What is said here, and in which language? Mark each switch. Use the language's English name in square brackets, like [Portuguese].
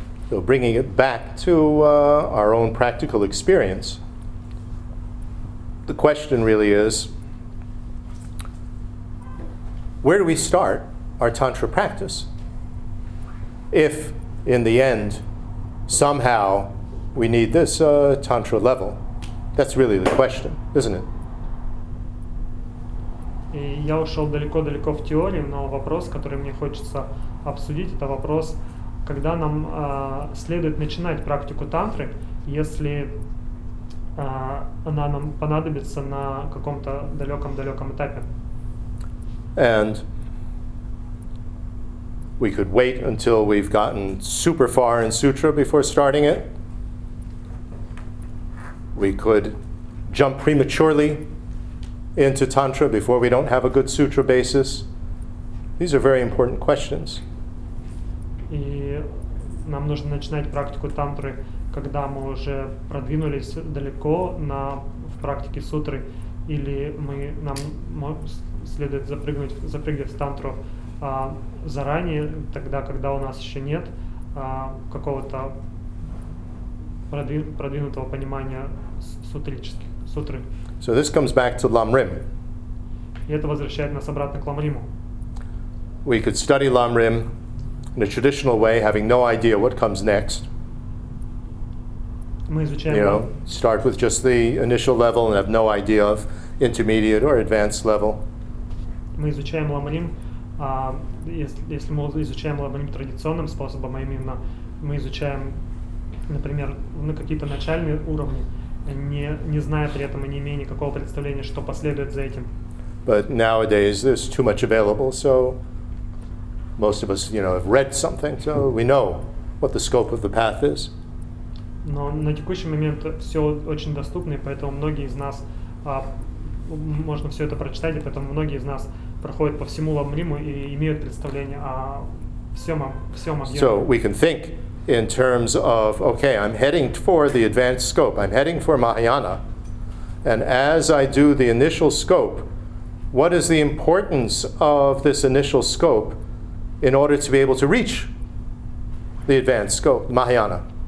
[English] So bringing it back to our own practical experience, the question really is, where do we start our Tantra practice? If, in the end, somehow we need this Tantra level, that's really the question, isn't it? [Russian] И я ушел далеко-далеко в теории, но вопрос, который мне хочется обсудить, это вопрос, когда нам следует начинать практику тантры, если она нам понадобится на каком-то далеком-далеком этапе. [English] And we could wait until we've gotten super far in sutra before starting it. We could jump prematurely into tantra before we don't have a good sutra basis. These are very important questions. [Russian] И нам нужно начинать практику тантры, когда мы уже продвинулись далеко на в практике сутры, или мы нам следует запрыгнуть в тантру заранее, тогда, когда у нас еще нет какого-то продвинутого понимания сутры. [English] So this comes back to Lamrim. [Russian] И это возвращает нас обратно к Ламриму. [English] We could study Lamrim in a traditional way, having no idea what comes next. [Russian] Мы изучаем, [English] you know, start with just the initial level and have no idea of intermediate or advanced level. [Russian] Мы изучаем Ламрим, если мы изучаем Ламрим традиционным способом, а именно мы изучаем, например, на какие-то начальные уровни, не зная при этом и не имея никакого представления, что последует за этим. [English] But nowadays there's too much available, so most of us, you know, have read something, so we know what the scope of the path is. [Russian] Но на текущий момент все очень доступно, и поэтому многие из нас можно все это прочитать, и поэтому многие из нас проходят по всему Ламриму и имеют представление о всем объеме. [English] So we can think in terms of, okay, I'm heading for the advanced scope, I'm heading for Mahayana, and as I do the initial scope, what is the importance of this initial scope in order to be able to reach the advanced scope, Mahayana?